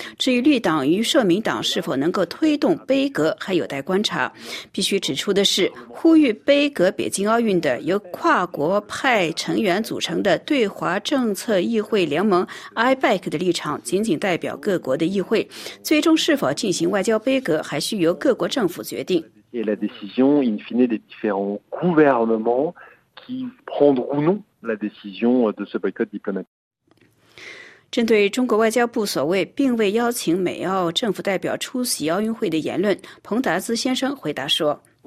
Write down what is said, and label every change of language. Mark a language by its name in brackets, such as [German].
[Chinese] 至于绿党与社民党是否能够推动杯葛，还有待观察。必须指出的是，呼吁杯葛北京奥运的由跨国派成员组成的对华政策议会联盟 IBEC 的立场仅仅代表各国的议会，最终是否进行外交杯葛还需由各国政府决定。 [French] Et la décision in fine des différents gouvernements qui prendront ou non la décision de ce boycott diplomatique。 [Chinese] 针对中国外交部所谓并未邀请美澳政府代表出席奥运会的言论，彭达兹先生回答说。